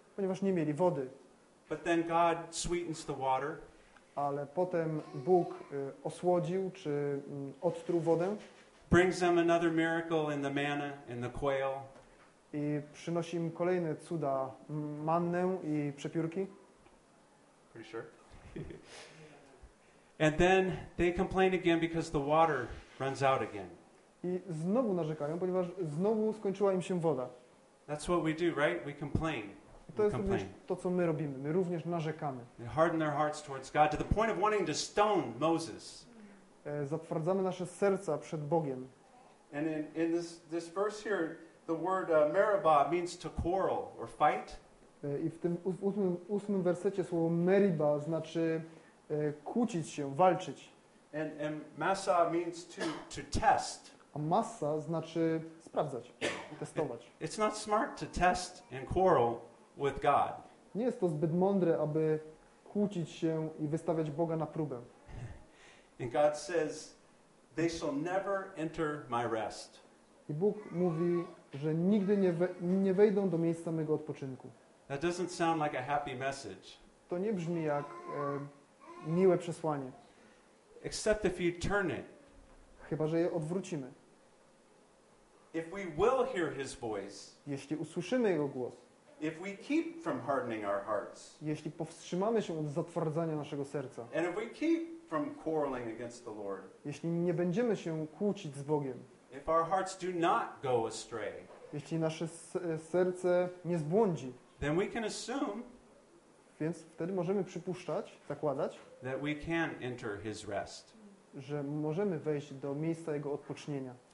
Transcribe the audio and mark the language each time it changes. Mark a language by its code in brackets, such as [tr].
[pl] ponieważ nie mieli wody. [en] But then God sweetens the water. [pl] Ale potem Bóg osłodził czy odtruł wodę. [en] Brings them another miracle in the manna, in the quail. [pl] I przynosi im kolejne cuda, mannę i przepiórki. [en] Pretty sure. And then they complain again because the water runs out again. [pl] I znowu narzekają, ponieważ znowu skończyła im się woda. [en] That's what we do, right? We complain. [pl] To jest również to, co my robimy. My również narzekamy. [en] They harden their hearts towards God to the point of wanting to stone Moses. [pl] Zatwardzamy nasze serca przed Bogiem. [en] And in this verse here, the word Meribah means to quarrel or fight. [pl] I w tym ósmym wersecie słowo Meribah znaczy kłócić się, walczyć. [en] And Massa means to test. [pl] A Massa znaczy sprawdzać, testować. [en] It's not smart to test and quarrel with God. [pl] Nie jest to zbyt mądre, aby kłócić się i wystawiać Boga na próbę. [en] And God says, they shall never enter my rest. [pl] I Bóg mówi, że nigdy nie wejdą do miejsca mego odpoczynku. [en] That doesn't sound like a happy message. [pl] To nie brzmi jak miłe przesłanie. [en] Except if you turn it. [pl] Chyba że je odwrócimy. [en] If we will hear his voice. [pl] Jeśli usłyszymy jego głos. [en] If we keep from hardening our hearts, [pl] jeśli powstrzymamy się od zatwardzania naszego serca, [en] and if we keep from quarreling against the Lord, [pl] jeśli nie będziemy się kłócić z Bogiem, [en] if our hearts do not go astray, [pl] jeśli nasze serce nie zbłądzi, [en] then we can assume, [pl] więc wtedy możemy przypuszczać, zakładać, [en] that we can enter his rest, [pl] że możemy wejść do miejsca jego odpocznienia.